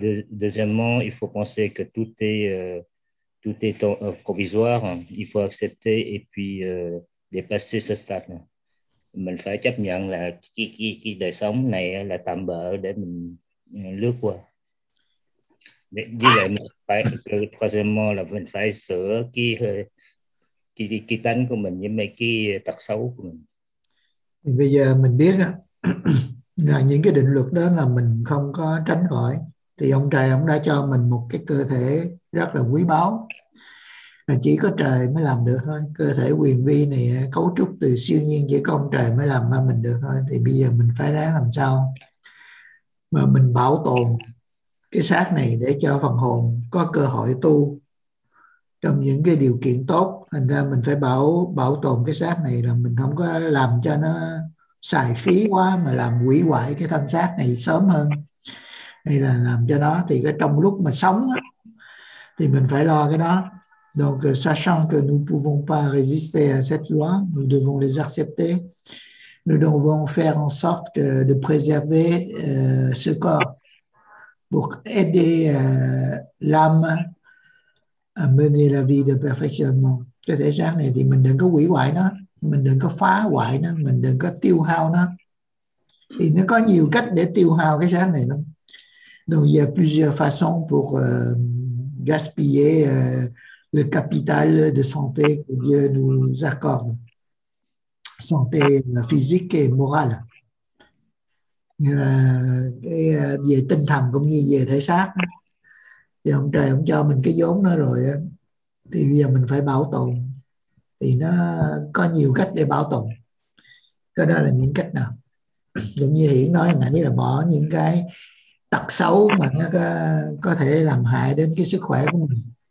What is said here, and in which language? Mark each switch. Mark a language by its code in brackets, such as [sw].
[fr] Deuxièmement, il faut penser que tout est provisoire. Il faut accepter et puis dépasser ce stade. [vi] Mình phải chấp nhận là cái đời sống này là tạm bợ để mình lướt qua. Như vậy mình phải troisièmement là mình phải sửa cái tánh của mình với mấy cái tật xấu của mình. Bây giờ mình biết là những cái định luật đó là mình không có tránh khỏi, thì ông trời ông đã cho mình một cái cơ thể rất là quý báu, là chỉ có trời mới làm được thôi. Cơ thể quyền vi này cấu trúc từ siêu nhiên, chỉ có ông trời mới làm ra mình được thôi. Thì bây giờ mình phải ráng làm sao mà mình bảo tồn cái xác này để cho phần hồn có cơ hội tu trong những cái điều kiện tốt. Thành ra mình phải bảo bảo tồn cái xác này, là mình không có làm cho nó xài phí quá mà làm hủy hoại cái thân xác này sớm hơn, hay là làm cho nó, thì cái trong lúc mà sống thì mình phải lo cái đó. [fr] Donc sachant que nous pouvons pas résister à cette loi, nous devons les accepter. Nous devons faire en sorte que de préserver ce corps pour aider l'âme à mener la vie de perfectionnement. [vi] Cái thể xác này thì mình đừng có hủy hoại nó, mình đừng có phá hoại nó, mình đừng có tiêu hao nó. Thì nó có nhiều cách để tiêu hao cái xác này lắm. [fr] Donc, il y a plusieurs façons pour gaspiller le capital de santé que Dieu nous accorde. Santé physique et morale. [vi] Như là cái về tinh thần cũng như về thể xác. Thì ông trời ông cho mình cái vốn đó rồi á, thì bây giờ mình phải bảo tồn. Thì nó có nhiều cách để bảo tồn. Cái đó là những cách nào? Giống như Hiển nói nãy là bỏ những cái tật xấu mà nó có thể làm hại đến cái sức khỏe của mình.